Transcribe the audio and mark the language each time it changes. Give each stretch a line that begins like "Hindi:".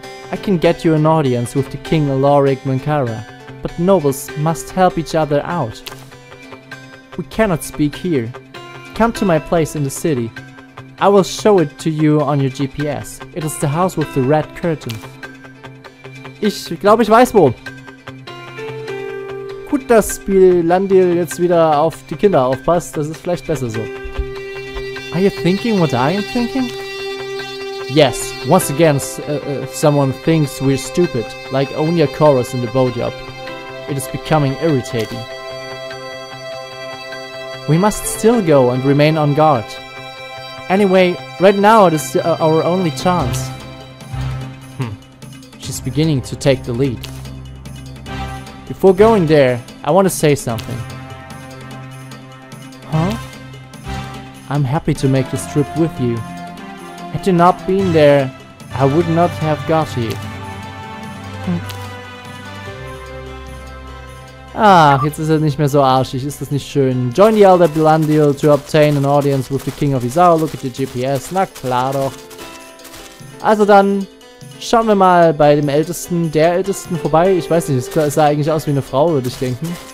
English: I can get you an audience with the King Alaric Mankara, but nobles must help each other out. We cannot speak here. Come to my place in the city. I will show it to you on your GPS. It is the house with the red curtain.
German: Ich glaube, ich weiß wo. Gut, dass Spielandil jetzt wieder auf die Kinder aufpasst. Das ist vielleicht besser so.
English: Are you thinking what I am thinking? Yes, once again someone thinks we're stupid, like Onya Chorus in the boatyard. It is becoming irritating. We must still go and remain on guard. Anyway, right now it is our only chance. She's beginning to take the lead. Before going there, I want to say something. Huh? I'm happy to make this trip with you. Had you not been there, I would not have got you.
German: Jetzt ist er nicht mehr so arschig. Ist das nicht schön?
English: Join the Elder Bilandil to obtain an audience with the King of Izao. Look at your GPS.
German: Na klar doch. Also dann schauen wir mal bei dem Ältesten, der Ältesten vorbei. Ich weiß nicht, es sah eigentlich aus wie eine Frau, würde ich denken.